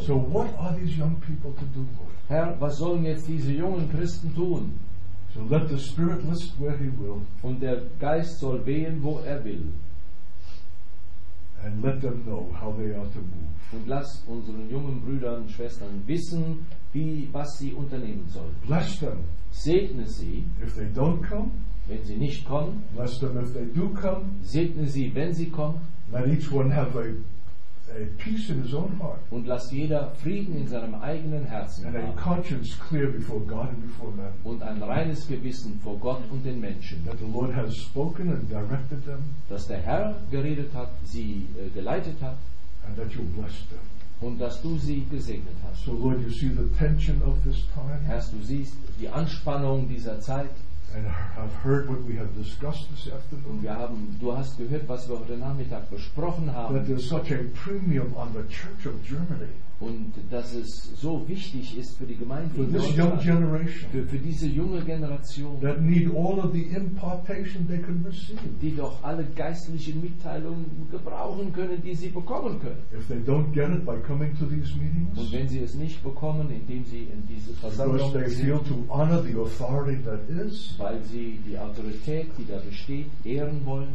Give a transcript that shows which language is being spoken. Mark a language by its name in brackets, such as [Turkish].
[English] So what are these young people to do? [German] Herr, was sollen jetzt diese jungen Christen tun? [English] So let the Spirit list where he will, [German] und der Geist soll wehen, wo er will. [English] and let them know how they are to move. [German] Und lass unseren jungen Brüdern und Schwestern wissen, wie, was sie unternehmen sollen. [English] Bless them. [German] Segne sie. [English] If they don't come, [German] wenn sie nicht kommen. [English] Bless them if they do come. [German] Segne sie, wenn sie kommen. [English] Let each one have a peace in his own heart. [German] Und lass jeder Frieden in seinem eigenen Herzen [English] and [German] haben. [English] A conscience clear before God and before man. [German] Und ein reines Gewissen vor Gott und den Menschen. [English] That the Lord has spoken and directed them. [German] Dass der Herr geredet hat, sie geleitet hat. [English] And that you blessed them. [German] Und dass du sie gesegnet hast. [English] So Lord, you see the tension of this time. [German] Herr, du siehst die Anspannung dieser Zeit. [English] And I've heard what we have discussed this afternoon. [German] Und wir haben, du hast gehört, was wir heute Nachmittag besprochen haben. [English] That there's such a premium on the Church of Germany. [German] Und dass es so wichtig ist für die Gemeinde. [English] For this young generation. [German] Für diese junge Generation. [English] That need all of the impartation they can receive. [German] Die doch alle geistlichen Mitteilungen gebrauchen können, die sie bekommen können. [English] If they don't get it by coming to these meetings. [German] Und wenn sie es nicht bekommen, indem sie in diese Versammlung sind. [English] Because they feel to honor the authority that is. [German] Weil sie die Autorität, die da besteht, ehren wollen.